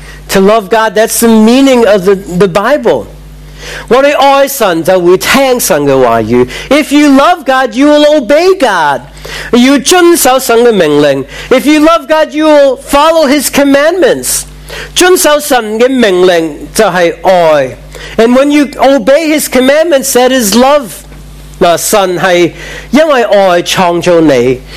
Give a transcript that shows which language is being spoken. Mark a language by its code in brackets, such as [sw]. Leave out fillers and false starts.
[en] To love God, that's the meaning of the Bible. [zh] 我们爱神就会听神的话语. [en] If you love God, you will obey God. [zh] 要遵守神的命令. [en] If you love God, you will follow His commandments. [zh] 遵守神的命令就是爱. [en] And when you obey His commandments, that is love. [zh] 神是因为爱创造你.